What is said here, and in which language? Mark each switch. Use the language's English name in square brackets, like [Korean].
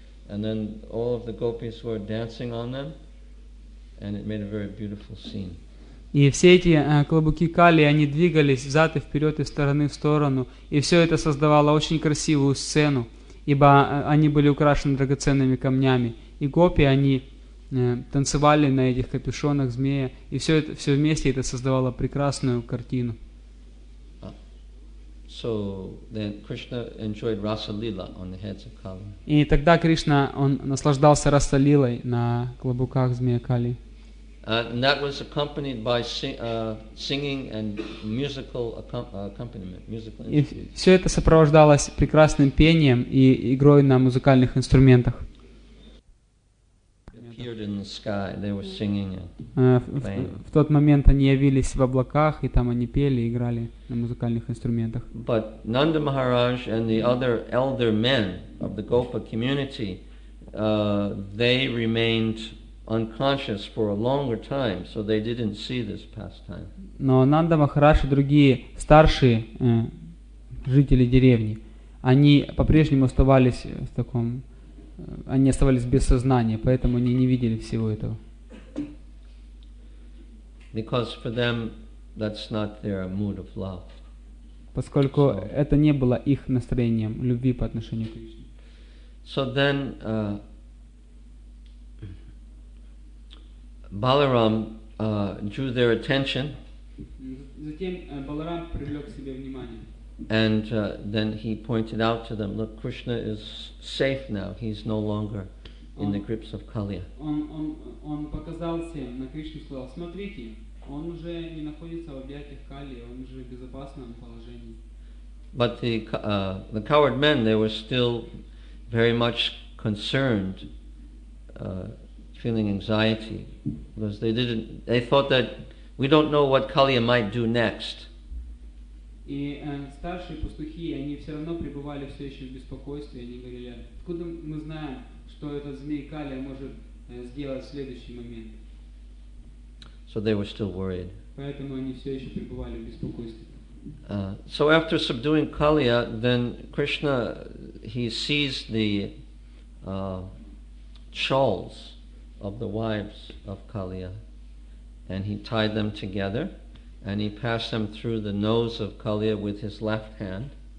[English] And then all of the gopis were dancing on them, and it made a very beautiful scene. [Russian] И все эти клобуки Кали, они двигались взад и вперед, и стороны в сторону, и все это создавало очень красивую сцену, ибо они были украшены драгоценными камнями, и гопи, они танцевали на этих капюшонах змея, и все это, все вместе это создавало прекрасную картину. [English] So then Krishna enjoyed Rasa Lila on the heads of Kali. [Russian] И тогда Кришна он наслаждался Раса Лилой на клобуках змея Кали. [English] And that was accompanied by singing and musical accompaniment, musical instruments. [Russian] И все это сопровождалось прекрасным пением и игрой на музыкальных инструментах. [English] Appeared in the sky, they were singing and [Russian] В тот момент они явились в облаках, и там они пели и играли на музыкальных инструментах. [English] But Nanda Maharaj and the other elder men of the Gopa community, they remained unconscious for a longer time, so they didn't see this pastime. [Russian] Но Нанда Махарадж и другие старшие жители деревни, они по-прежнему оставались в таком, они оставались без сознания, поэтому они не видели всего этого. [English] Because for them that's not their mood of love. [Russian] Поскольку это не было их настроением любви по отношению к Кришне. [English] So then Balaram drew their attention. [Russian] Затем Баларам привлёк себе внимание. [English] And then he pointed out to them, look, Krishna is safe now. He's no longer in the grips of Kaliya. [Russian] Он показал всем на Кришну, сказал, смотрите, он уже не находится в объятиях Кали, он уже в безопасном положении. [English] But the coward men, they were still very much concerned, feeling anxiety, because they thought that we don't know what Kaliya might do next. [Russian] И старшие пастухи, они все равно пребывали все еще в беспокойстве, они говорили, откуда мы знаем, что этот змей Калия может сделать в следующий момент. [English] So they were still worried. [Russian] Поэтому они все еще пребывали в беспокойстве. [English] So after subduing Kaliya, then Krishna, he sees the shawls of the wives of Kaliya, and he tied them together, and he passed them through the nose of Kaliya with his left hand.